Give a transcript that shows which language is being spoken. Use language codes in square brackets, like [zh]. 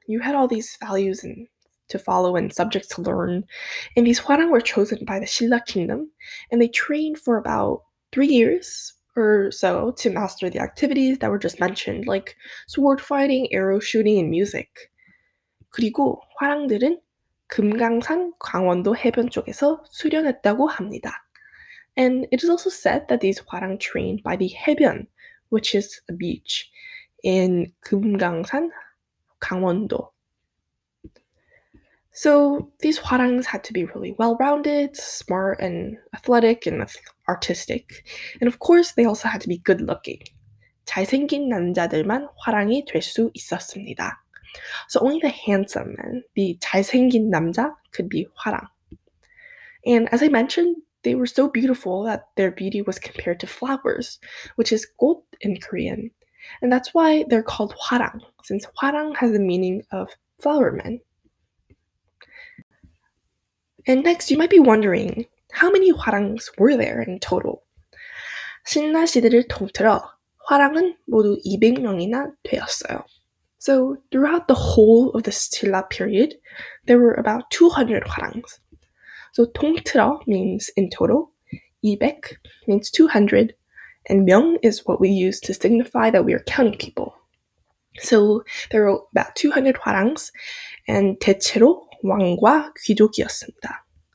[en] You had all these values and to follow and subjects to learn. And these hwarang were chosen by the Silla kingdom, and they trained for about 3 years or so to master the activities that were just mentioned, like sword fighting, arrow shooting, and music. [ko] 그리고 화랑들은 금강산 강원도 해변 쪽에서 수련했다고 합니다. [en] And it is also said that these hwarang trained by the 해변, which is a beach, in 금강산 강원도. So these hwarangs had to be really well-rounded, smart, and athletic, and artistic. And of course, they also had to be good-looking. [ko] 잘생긴 남자들만 화랑이 될 수 있었습니다. [en] So only the handsome men, the [ko] 잘생긴 남자, [en] could be 화랑. And as I mentioned, they were so beautiful that their beauty was compared to flowers, which is 꽃 in Korean. And that's why they're called 화랑, since 화랑 has the meaning of flower men. And next, you might be wondering, how many 화랑s were there in total? [ko] 신라 시대를 통틀어 화랑은 모두 200명이나 되었어요. [en] So throughout the whole of the Silla period, there were about 200 화랑s. So 통틀어 means in total, 200 means 200, and 명 is what we use to signify that we are counting people. So there were about 200 화랑s, and [ko] 대체로 왕과 귀족이었습니다.